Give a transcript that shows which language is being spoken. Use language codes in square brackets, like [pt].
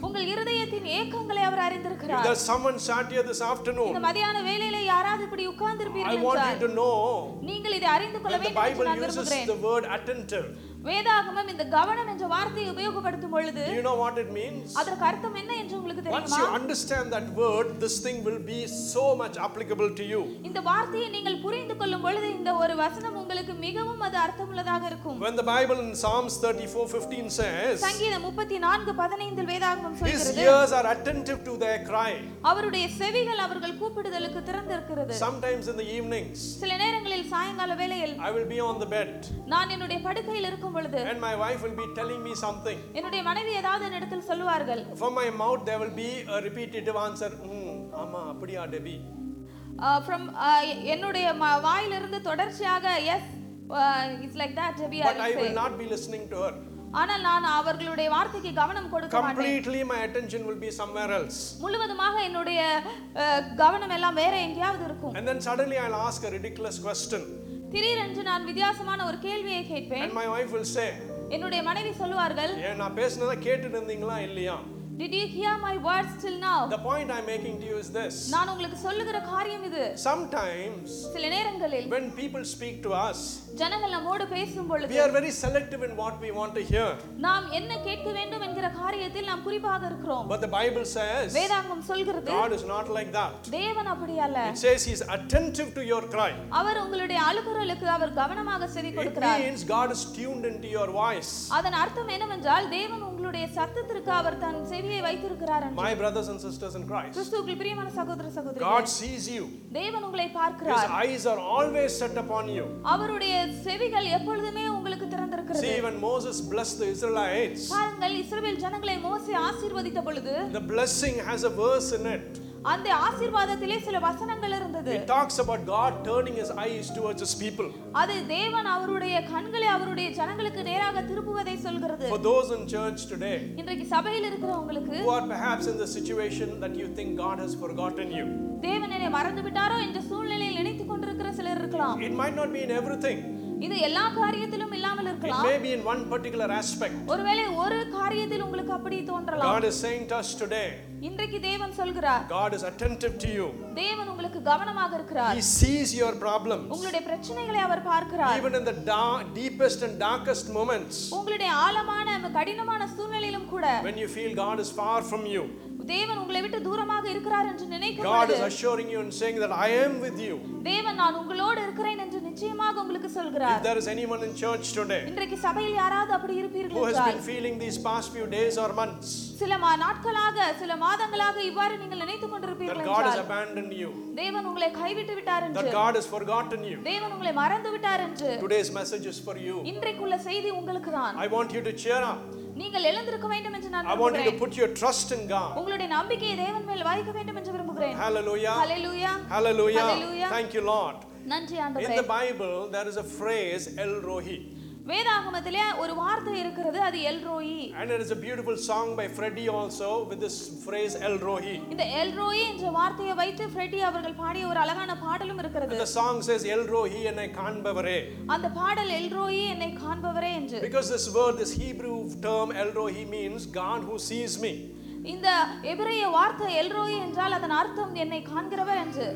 [ta] உங்கள் இதயத்தின் ஏக்கங்களை அவர் அறிந்திருக்கிறார் [en] there's someone sat here this afternoon [ta] இந்த மதியான வேளையிலே யாராவது இப்படி உட்கார்ந்திருப்பீர்கள் என்றால் [en] I want you to know [ta] நீங்கள் இதை அறிந்து கொள்ள வேண்டும் [en] the bible uses the word attentive [ta] வேதாகமம் இந்த கவனம் என்ற வார்த்தையை உபயோகப்படுத்தும் பொழுது [en] you know what it means [ta] அதற்கு அர்த்தம் என்ன என்று உங்களுக்கு தெரியுமா [en] once you understand that word this thing will be so much applicable to you [ta] இந்த வார்த்தையை நீங்கள் புரிந்துகொள்ளும் பொழுது இந்த ஒரு வசனம் உங்களுக்கு மிகவும் அது அர்த்தமுள்ளதாக இருக்கும் [en] when the bible in psalms 34:15 says [ta] சங்கீதம் 34:15 இல் வேதாகமம் சொல்கிறது [en] his ears are attentive to their cry [ta] அவருடைய செவிகள் அவர்கள் கூப்பிடுதலுக்கு திறந்திருக்கிறது [en] sometimes in the evenings [ta] சில நேரங்களில் சாயங்கால வேளையில் [en] I will be on the bed [ta] நான் என்னுடைய படுக்கையில் [en] and my wife will be telling me something [ta] என்னுடைய மனைவி ஏதாவது என்னிடம் சொல்வார்கள் [en] from my mouth there will be a repetitive answer [ta] ஆமா அப்படியா [en] Debbie from [ta] என்னுடைய வாயில இருந்து தொடர்ச்சியாக [en] yes it's like that Debbie but I will not be listening to her [ta] ஆனால் நான் அவர்களுடைய வார்த்தைக்கு கவனம் கொடுக்க மாட்டேன் [en] completely my attention will be somewhere else [ta] முழுவதுமாக என்னுடைய கவனம் எல்லாம் வேற எங்கயாவது இருக்கும் [en] and then suddenly I'll ask a ridiculous question [ta] திடீரென்று நான் வித்தியாசமான ஒரு கேள்வியை கேட்பேன் [en] and my wife will say [ta] என்னுடைய மனைவி சொல்வார்கள் ஏ நான் பேசுனத கேட்டிருந்தீங்களா இல்லையா [en] did you hear my words till now the point I'm making to you is this [ta] நான் உங்களுக்கு சொல்லுகிற காரியம் இது [en] sometimes [ta] சில நேரங்களில் [en] when people speak to us [ta] ஜனங்கள் நம்மோடு பேசும்பொழுது [en] we are very selective in what we want to hear [ta] நாம் என்ன கேட்க வேண்டும் என்கிற காரியத்தில் நாம் குறிப்பாக இருக்கிறோம் [en] but the bible says [ta] வேதாகமம் சொல்கிறது [en] god is not like that [ta] தேவன் அப்படி அல்ல [en] it says he is attentive to your cry [ta] அவர் உங்களுடைய அழுகுரலுக்கு அவர் கவனமாக செவி கொடுக்கிறார் [en] it means god is tuned into your voice [ta] அதன் அர்த்தம் என்னவென்றால் தேவன் உங்களுடைய சத்தத்திற்கு அவர் தன் செவியை வைத்திருக்கிறார் என்று [en] my brothers and sisters in christ [ta] கிறிஸ்துவுக்குள் பிரியமான சகோதர சகோதரிகள் [en] god sees you [ta] தேவன் உங்களை பார்க்கிறார் [en] his eyes are always set upon you [ta] அவருடைய செவிகள் எப்பொழுதே உங்களுக்கு திறந்திருக்கிறது [en] see when moses blessed the israelites [ta] பாருங்கள் இஸ்ரவேல் ஜனங்களை மோசே ஆசீர்வதித்த பொழுது [en] the blessing has a verse in it [ta] அந்த ஆசீர்வாதத்திலே சில வசனங்கள் இருந்தது இருக்கிறது. [en] It talks about God turning his eyes towards his people. [ta] அது தேவன் அவருடைய கண்களை அவருடைய ஜனங்களுக்கு நேராக திருப்புவதை சொல்கிறது. [en] For those in church today, [ta] இன்றைக்கு சபையில் இருக்கிறவங்களுக்கு, [en] who are perhaps in the situation that you think God has forgotten you. [ta] தேவனை மறந்து விட்டாரோ என்ற சூழ்நிலையில் நினைத்துக் கொண்டிருக்கிற சிலர் இருக்கலாம். [en] It might not mean everything. [ta] இது எல்லா காரியத்திலும் இல்லாமல் இருக்கலாம். [en] It may be in one particular aspect. [ta] ஒருவேளை ஒரு காரியத்தில் உங்களுக்கு அப்படி தோன்றலாம். [en] God is saying to us today. [ta] இன்றைக்கு தேவன் சொல்கிறார். [en] God is attentive to you. [ta] தேவன் உங்களுக்கு கவனமாக இருக்கிறார். [en] He sees your problems. [ta] உங்களுடைய பிரச்சனைகளை அவர் பார்க்கிறார். [en] Even in the deepest and darkest moments. [ta] உங்களுடைய ஆழமான கடினமான சூழ்நிலையிலும் கூட. [en] When you feel God is far from you. [ta] தேவன் உங்களை விட்டு தூரமாக இருக்கிறார் என்று நினைக்கிறீர்கள். [en] God is assuring you and saying that I am with you. [ta] தேவன் நான் உங்களோடு இருக்கிறேன் என்று நிச்சயமாக உங்களுக்கு சொல்கிறார். [en] If there is anyone in church today. [ta] இன்றைக்கு சபையில் யாராவது அப்படி இருப்பீர்கள் என்றால். [en] Who has been feeling these past few days or months. [ta] சில நாட்களாக சில மாதங்களாக இவ்வாறு நீங்கள் நினைத்துக் கொண்டிருப்பீர்கள் என்றால். [en] God has abandoned you. [ta] தேவன் உங்களை கைவிட்டு விட்டார் என்று. [en] That God has forgotten you. [ta] தேவன் உங்களை மறந்து விட்டார் என்று. [en] Today's message is for you. [ta] இன்றைக்குள்ள செய்தி உங்களுக்கு தான். [en] I want you to cheer up. [ta] நீங்கள் எழுந்திருக்க வேண்டும் என்று நான் விரும்புகிறேன். [en] I want you to put your trust in God. [ta] உங்களுடைய நம்பிக்கையை தேவன் மேல் வைக்க வேண்டும் என்று விரும்புகிறேன். [en] Hallelujah. Hallelujah. Hallelujah. Hallelujah. Thank you Lord. [ta] நன்றி ஆண்டவரே. [en] In the Bible there is a phrase El Rohi. [ta] வேதாகமத்திலே ஒரு வார்த்தை இருக்கிறது அது El Rohi. [en] And there is a beautiful song by Freddy also with this phrase El Rohi. [ta] இந்த El Rohi என்ற வார்த்தையை வைத்து Freddy அவர்கள் பாடிய ஒரு அழகான பாடலும் இருக்கிறது. [en] The song says El Rohi [ta] என்னை காண்பவரே. அந்த பாடல் El Rohi என்னை காண்பவரே என்று. [en] Because this word, this Hebrew term El Rohi means God who sees me. [ta] இந்த எபிரேய வார்த்தை El Rohi என்றால் அதன் அர்த்தம் என்னை காண்கிறவர் என்று.